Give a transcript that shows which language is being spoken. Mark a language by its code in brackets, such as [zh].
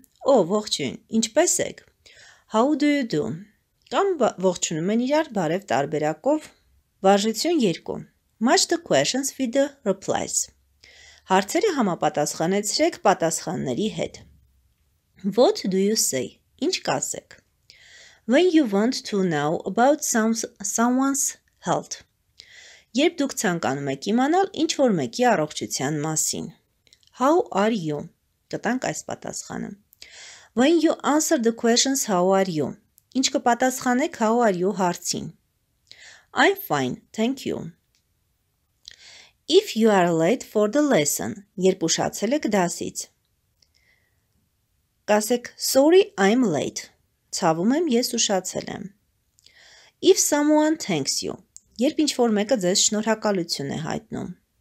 [en] Oh, [hy] ողջույն. Ինչպե՞ս եք? [en] How do you do? [hy] Կամ ողջունում են իրար բարև տարբերակով Վարժություն 2. [en] Match the questions with the replies. [hy] Հարցերը համապատասխանեցրեք պատասխանների հետ. [en] What do you say? [hy] Ինչ կասեք? [en] When you want to know about someone's health. [hy] Երբ դուք ցանկանում եք իմանալ ինչ-որ մեկի առողջության մասին. [en] How are you? [hy] Կտանք այս պատասխանը. [en] When you answer the questions how are you? [hy] Ինչ կպատասխանեք [en] how are you [hy] հարցին? [en] I'm fine, thank you. If you are late for the lesson, [hy] երբ ուշացել եք դասից, կասեք, [en] sorry, I'm late. [hy] Ցավում եմ, ես ուշացել եմ. [en] If someone thanks you, [hy] երբ ինչ-որ մեկը ձեզ շնորհակալություն է հայտնում,